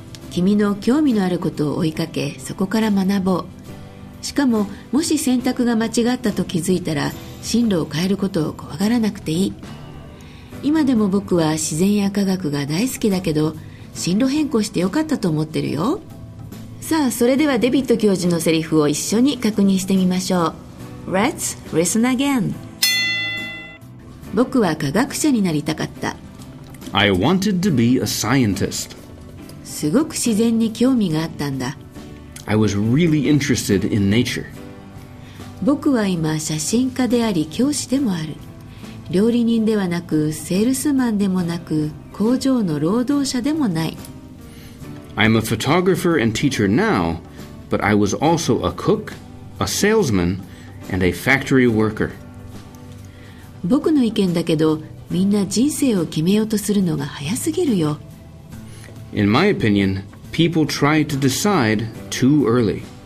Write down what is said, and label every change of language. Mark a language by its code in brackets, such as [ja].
[ja] 君の興味のあることを追いかけ、そこから学ぼう。しかも、もし選択が間違ったと気づいたら、進路を変えることを怖がらなくていい。今でも僕は自然や科学が大好きだけど、進路変更してよかったと思ってるよ。さあ、それではデビット教授のセリフを一緒に確認してみましょう。 [en] Let's listen again. [ja] 僕は科学者になりたかった。 [en] I wanted to be a scientist. [ja] すごく自然に興味があったんだ。 [en] I was really interested in nature. [ja] 僕は今写真家であり教師でもある。料理人ではなくセールスマンでもなく工場の労働者でもない。 [en] I'm a photographer and teacher now, but I was also a cook, a salesman, and a factory worker. [ja] 僕の意見だけど、みんな人生を決めようとするのが早すぎるよ。 [en] In my opinion, people try to decide too early.